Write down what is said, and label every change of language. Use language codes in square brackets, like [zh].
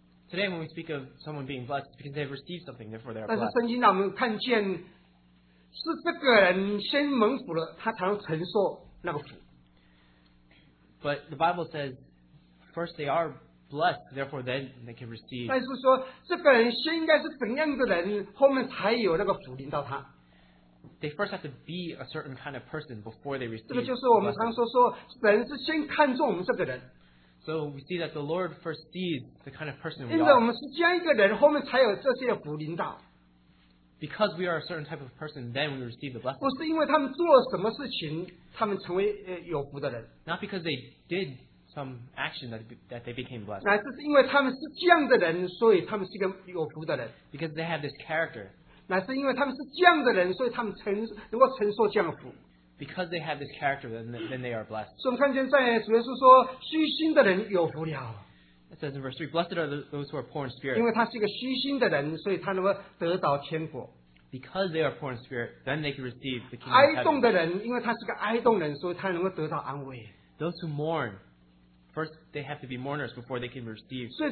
[en] Today, when we speak of someone being blessed, because they have received something, therefore they are blessed. [zh] 但是圣经让我们看见，是这个人先蒙福了，他才能承受那个福。 [en] But the Bible says, first they are blessed, therefore then they can receive. [zh] 但是说，这个人先应该是怎样的人，后面才有那个福临到他。 [en] They first have to be a certain kind of person before they receive. [zh] 这个就是我们常说，神是先看重我们这个人。 [en] So we see that the Lord first sees the kind of person we are. [zh] 因为我们是这样一个人，后面才有这些福临到。 [en] because we are a certain type of person, then we receive the blessing. [zh] 不是因为他们做了什么事情，他们成为有福的人。 [en] Not because they did some action that they became blessed. [zh] 乃是因为他们是这样的人，所以他们是一个有福的人。 [en] Because they have this character. [zh] 乃是因为他们是这样的人，所以他们承受降福。 [en] Because they have this character, then they are blessed. [zh] 所以我们看见在主耶稣说，虚心的人有福了。 [en] It says in verse 3, blessed are those who are poor in spirit. [zh] 因为他是一个虚心的人，所以他能够得到天国。 [en] Because they are poor in spirit, then they can receive the kingdom of heaven. [zh] 哀痛的人，因为他是个哀痛人，所以他能够得到安慰。 [en] Those who mourn, first they have to be mourners before they can receive.